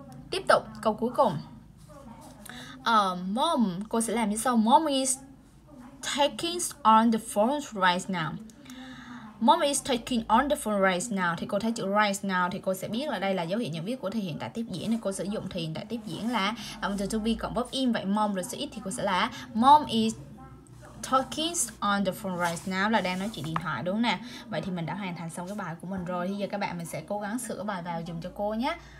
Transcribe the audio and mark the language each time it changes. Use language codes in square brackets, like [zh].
[vi] Tiếp tục câu cuối cùng mom cô sẽ làm như sau. [en] Mom is taking on the phone right now. Mom is taking on the phone right now. [vi] Thì cô thấy chữ right now thì cô sẽ biết là đây là dấu hiệu nhận biết của thể hiện tại tiếp diễn nên cô sử dụng thì hiện tại tiếp diễn là động từ to be cộng verb in. Vậy mom rồi số ít thì cô sẽ là [en] mom is talking on the phone right now [vi] là đang nói chuyện điện thoại đúng không nè. Vậy thì mình đã hoàn thành xong cái bài của mình rồi. Bây giờ các bạn mình sẽ cố gắng sửa bài vào dùng cho cô nhé.